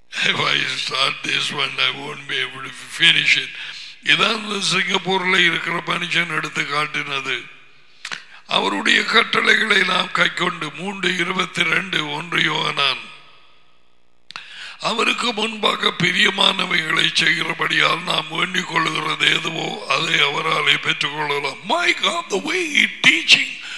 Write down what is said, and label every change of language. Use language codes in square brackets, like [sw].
[en] If I start this one, I won't be able to finish it. [ta] இதான் சிங்கப்பூர்ல இருக்கிற மனுஷன் எடுத்து காட்டினது. அவருடைய கட்டளைகளை நாம் கை கொண்டு 3:22 அவருக்கு முன்பாக பிரியமானவைகளை செய்கிறபடியால் நாம் வேண்டிக் கொள்ளுகிறது எதுவோ அதை அவராலே பெற்றுக் கொள்ளலாம். [en] My God, the way he teaching.